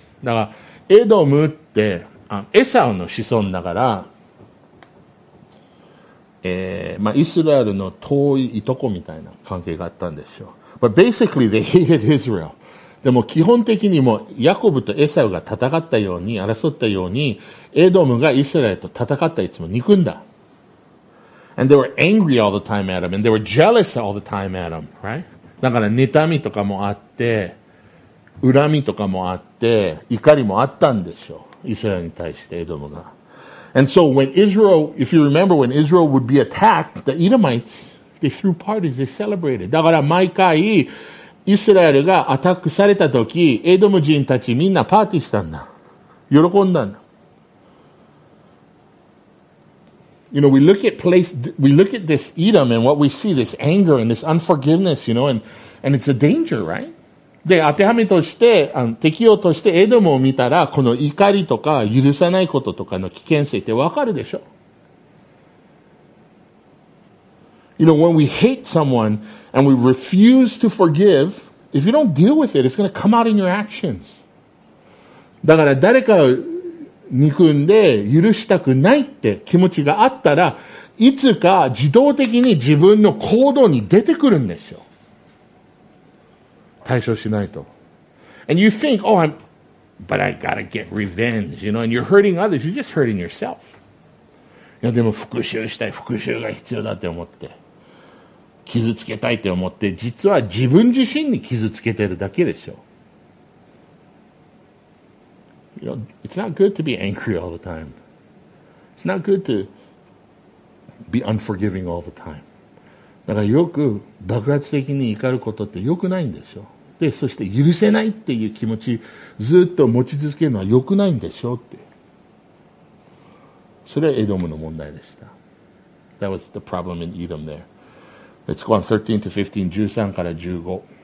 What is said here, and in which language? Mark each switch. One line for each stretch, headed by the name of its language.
Japanese: だから、エドムって、エサウの子孫だから、まあ、イスラエルの遠いいとこみたいな関係があったんでしょう。
English: But basically, they hated Israel.
Japanese: でも基本的にもヤコブとエサウが戦ったように争ったようにエドムがイスラエルと戦ったいつも憎んだ。
English: And they were angry all the time at him, and they were jealous all the time at him, right?
Japanese: だから妬みとかもあって、恨みとかもあって、怒りもあったんでしょう。イスラエルに対してエドムが。
English: And so when Israel, if you remember when Israel would be attacked, the Edomites, they threw parties, they celebrated.
Japanese: だから毎回、イスラエルがアタックされた時、エドム人たちみんなパーティーしたんだ。喜んだんだ。
English: You know, we look at this Edom and what we see, this anger and this unforgiveness, you know, and it's a danger, right?
Japanese: で、当てはめとして、適用としてエドムを見たら、この怒りとか許さないこととかの危険性ってわかるでしょ?
English: You know, when we hate someone and we refuse to forgive, if you don't deal with it, it's going to come out in your actions.
Japanese: だから誰かを憎んで許したくないって気持ちがあったら、いつか自動的に自分の行動に出てくるんですよ。対処しないと。
English: And you think, oh, but I gotta get revenge, you know, and you're hurting others, you're just hurting yourself.
Japanese: いやでも復讐したい、復讐が必要だって思って。傷つけたいって思って、実は自分自身に傷つけてるだけでしょ。
English: You know, it's not good to be angry all the time. It's not good to be unforgiving all the time.
Japanese: だからよく爆発的に怒ることってよくないんでしょ。で、そして許せないっていう気持ちずっと持ち続けるのはよくないんでしょって。それはエドムの問題でした。
English: That was the problem in Edom there. Let's go on 13 to 15,
Japanese: 13から15.